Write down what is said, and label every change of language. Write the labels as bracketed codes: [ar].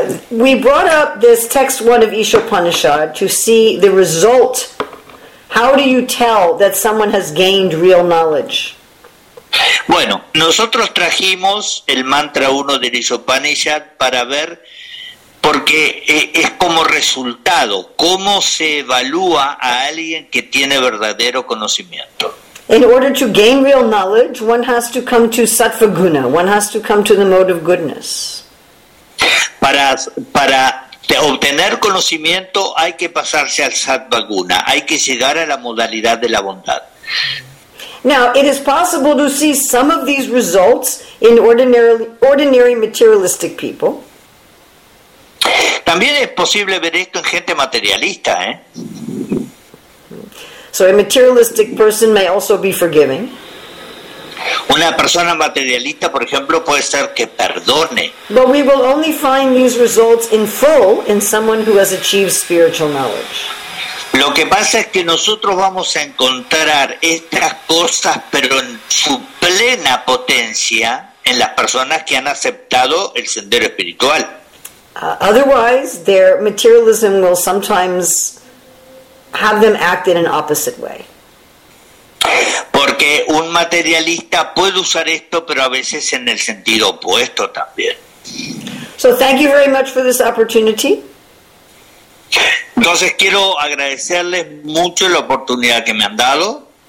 [en] We brought up this text 1 of Ishopanishad to see the result. How do you tell that someone has gained real knowledge? [es] Bueno, nosotros trajimos el mantra 1 del Ishopanishad para ver, porque es como resultado, cómo se evalúa a alguien que tiene verdadero conocimiento. [en] In order to gain real knowledge, one has to come to sattva-guna. One has to come to the mode of goodness. [es] Para obtener conocimiento, hay que pasarse al sattva-guna. Hay que llegar a la modalidad de la bondad. [en] Now, it is possible to see some of these results in ordinary materialistic people. [es] También es posible ver esto en gente materialista, [en] So a materialistic person may also be forgiving. [es] Una persona materialista, por ejemplo, puede ser que perdone. [en] But we will only find these results in full in someone who has achieved spiritual knowledge. [es] Lo que pasa es que nosotros vamos a encontrar estas cosas, pero en su plena potencia, en las personas que han aceptado el sendero espiritual. [en] Otherwise, their materialism will sometimes have them act in an opposite way. [es] Porque un materialista puede usar esto, pero a veces en el sentido opuesto también. [en] So thank you very much for this opportunity. [es] Entonces quiero agradecerles mucho la oportunidad que me han dado.